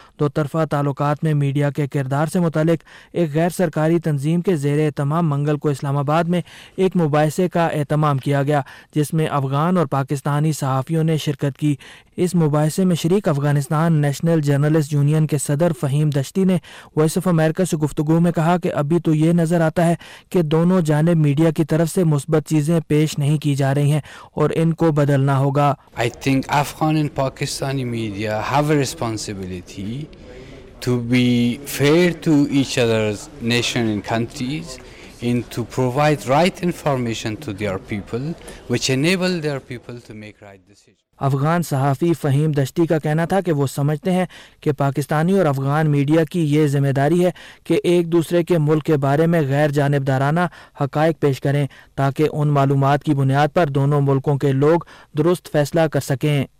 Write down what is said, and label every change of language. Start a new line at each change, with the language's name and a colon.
Urdu: دو طرفہ تعلقات میں میڈیا کے کردار سے متعلق ایک غیر سرکاری تنظیم کے زیر اہتمام منگل کو اسلام آباد میں ایک مباحثے کا اہتمام کیا گیا جس میں افغان اور پاکستانی صحافیوں نے شرکت کی. اس مباحثے جلسے میں شریک افغانستان نیشنل جرنلسٹ یونین کے صدر فہیم دشتی نے وائس آف امریکہ سے گفتگو میں کہا کہ ابھی تو یہ نظر آتا ہے کہ دونوں جانب میڈیا کی طرف سے مثبت چیزیں پیش نہیں کی جا رہی ہیں اور ان کو بدلنا ہوگا.
English: I think Afghan and Pakistani media have a responsibility to be fair to each other's nation and countries and to provide right information to their people which enable their people to make right decisions.
Urdu: Afghan صحافی فہیم دشتی کا کہنا تھا کہ وہ سمجھتے ہیں کہ پاکستانی اور افغان میڈیا کی یہ ذمہ داری ہے کہ ایک دوسرے کے ملک کے بارے میں غیر جانبدارانہ حقائق پیش کریں تاکہ ان معلومات کی بنیاد پر دونوں ملکوں کے لوگ درست فیصلہ کر سکیں.